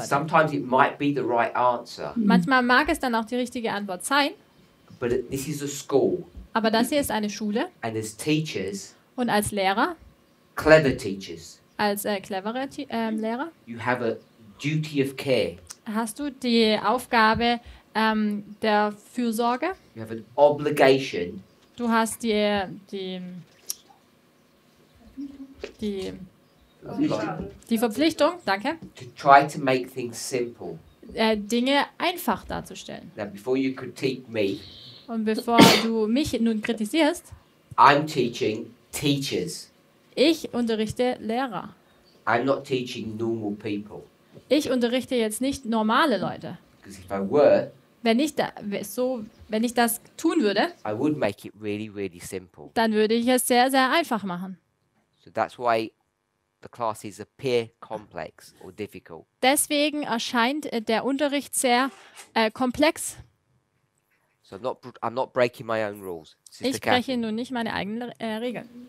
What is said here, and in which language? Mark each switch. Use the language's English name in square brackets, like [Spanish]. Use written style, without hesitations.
[English] And sometimes it might be the right answer. Mm-hmm. [German] Manchmal mag es dann auch die richtige Antwort sein. [English] But this is a school. [German] Aber das hier ist eine Schule. [English] And as teachers, [German] und als Lehrer. [English] Clever teachers, [German] als clevere Lehrer. [English] You have a duty of care. [German] Hast du die Aufgabe der Fürsorge? [English] You have an obligation. [German] Du hast die Verpflichtung, danke. [English] To try to make things simple. [German] Dinge einfach darzustellen. [English] Now before you critique me. [German] Und bevor du mich nun kritisierst, [English] I'm teaching teachers. [German] Ich unterrichte Lehrer. [English] I'm not teaching normal people. [German] Ich unterrichte jetzt nicht normale Leute. [English] Because if I were, [German] wenn ich das tun würde, [English] I would make it really, really simple. [German] Dann würde ich es sehr, sehr einfach machen. [English] So that's why the classes appear complex or difficult. [German] Deswegen erscheint der Unterricht sehr komplex. [English] So I'm not breaking my own rules. [German] Ich breche nun nicht meine eigenen Regeln.